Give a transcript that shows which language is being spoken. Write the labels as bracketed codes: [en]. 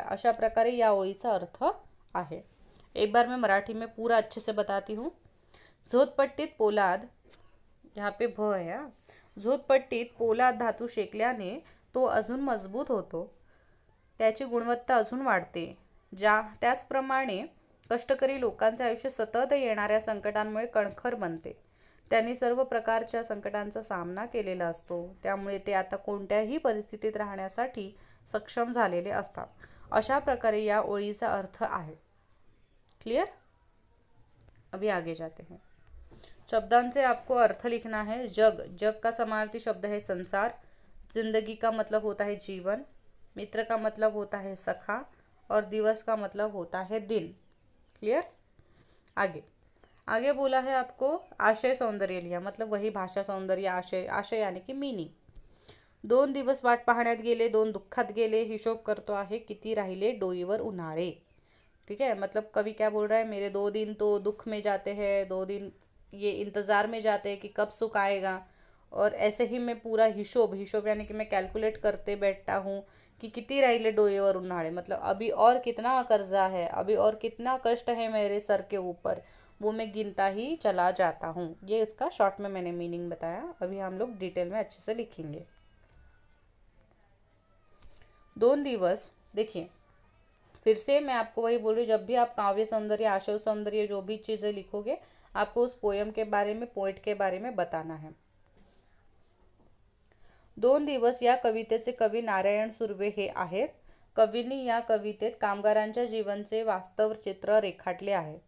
[mr] अशा प्रकारे या ओळीचा अर्थ आहे। [hi] एक बार मैं मराठी में पूरा अच्छे से बताती हूँ। [mr] झोतपट्टीत पोलाद, [hi] यहाँ पे भ है यार, [mr] झोतपट्टीत पोलाद धातू शेकल्याने तो अजून मजबूत होतो, त्याची गुणवत्ता अजून वाढते। ज्या त्याचप्रमाणे कष्टकरी लोकांचे आयुष्य सतत येणाऱ्या संकटांमुळे कणखर बनते, त्यांनी सर्व प्रकारच्या संकटांचा सामना केलेला असतो, त्यामुळे ते आता कोणत्याही परिस्थितीत राहण्यासाठी सक्षम झालेले असतात। अशा प्रकारे या ओळीचा अर्थ आहे। [hi] क्लियर? अभी आगे जाते हैं। [mr] शब्दांचे [hi] आपको अर्थ लिखना है। जग, जग का समानार्थी शब्द है संसार। जिंदगी का मतलब होता है जीवन, मित्र का मतलब होता है सखा, और दिवस का मतलब होता है दिन। क्लियर? आगे आगे बोला है आपको आशय सौंदर्य लिया, मतलब वही भाषा सौंदर्य, आशय, आशय यानी कि मीनिंग। [mr] 2 दिवस वाट पाहण्यात गेले, 2 दुःखात गेले, हिशोब करतो आहे किती राहिले डोईवर उन्हाळे। [hi] ठीक है, मतलब कवि क्या बोल रहा है, मेरे 2 दिन तो दुख में जाते हैं, 2 दिन ये इंतजार में जाते हैं कि कब सुख आएगा, और ऐसे ही मैं पूरा हिशोब, हिशोब यानी कि मैं कैलकुलेट करते बैठता हूँ कि कितनी [mr] राहिले डोए और उन्हाड़े, [hi] मतलब अभी और कितना कर्जा है, अभी और कितना कष्ट है मेरे सर के ऊपर, वो मैं गिनता ही चला जाता हूँ। ये इसका शॉर्ट में मैंने मीनिंग बताया, अभी हम लोग डिटेल में अच्छे से लिखेंगे। 2 दिवस, देखिए फिर से मैं आपको वही बोल रही हूँ, जब भी आप काव्य सौंदर्य, आशय सौंदर्य, जो भी चीज़ें लिखोगे, आपको उस पोयम के बारे में, पोइट के बारे में बताना है। [mr] 2 दिवस या कवितेचे कवी नारायण सुर्वे हे आहेत। कवींनी या कवितेत कामगारांच्या जीवनाचे वास्तव चित्र रेखाटले आहे।